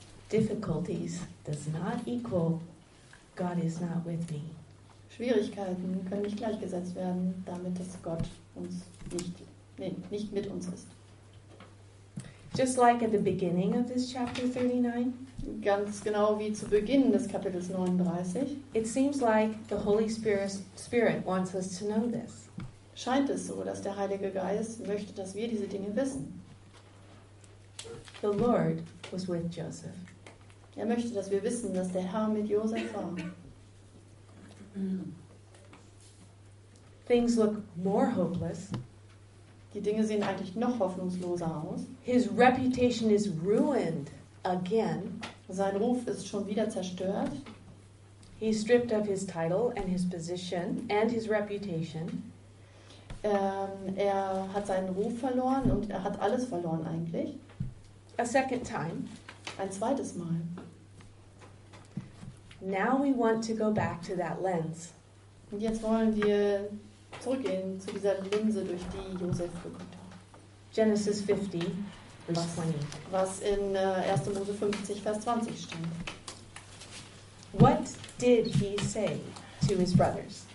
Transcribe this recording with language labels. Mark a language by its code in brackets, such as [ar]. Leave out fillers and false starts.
[en] Difficulties does not equal God is not with me. [de] Schwierigkeiten können nicht gleichgesetzt werden, damit dass Gott uns nicht mit uns ist. [en] Just like at the beginning of this chapter 39. [de] ganz genau wie zu Beginn des Kapitels 39. [en] It seems like the Holy Spirit wants us to know this. [de] Scheint es so, dass der Heilige Geist möchte, dass wir diese Dinge wissen. [en] The Lord was with Joseph. [de] Er möchte, dass wir wissen, dass der Herr mit Josef war. [en] Things look more hopeless. [de] Die Dinge sehen eigentlich noch hoffnungsloser aus. [en] His reputation is ruined again. [de] Sein Ruf ist schon wieder zerstört. [en] He is stripped of his title and his position and his reputation. [de] Er hat seinen Ruf verloren und er hat alles verloren eigentlich. [en] A second time. [de] Ein zweites Mal. [en] Now we want to go back to that lens. [de] Und jetzt wollen wir zurückgehen zu dieser Linse, durch die Josef geguckt hat. [en] Genesis 50, Vers 20. [de] Was in 1. Mose 50, Vers 20 steht. [en] What did he say to his brothers?